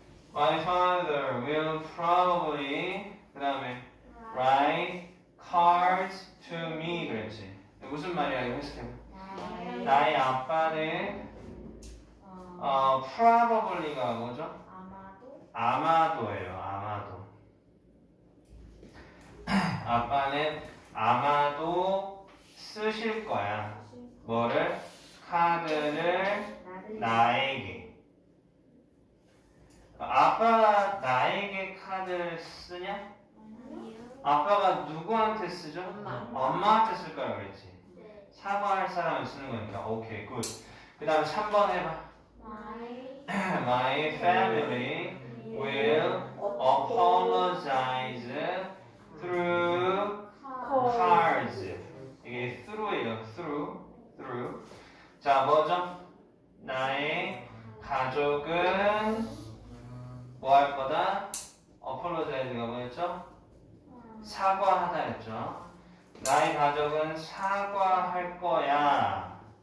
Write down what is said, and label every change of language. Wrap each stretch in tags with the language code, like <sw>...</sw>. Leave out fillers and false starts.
<en>My father will probably,</en> <ko>그 다음에,</ko> <en>write cards to me.</en> <ko>그랬지. 무슨 말이야? 이거 했을 때. 나의 아빠는, probably가 뭐죠? 아마도예요. 아마도. 아빠는, 아마도 쓰실 거야. 뭐를? 카드를 나에게. 아빠가 나에게 카드를 쓰냐? 아빠가 누구한테 쓰죠? 엄마한테 쓸 거라고 그랬지. 사과할 사람을 쓰는 거니까. 오케이, 굿. 그 다음 3번 해봐.</ko> <en>My family will apologize through cards.</en> <ko>이게 through예요, through. 자, 뭐죠? 나의 가족은 뭐할 거다? apologize가 뭐였죠? 사과하다였죠. 나의 가족은 사과할 거야.</ko>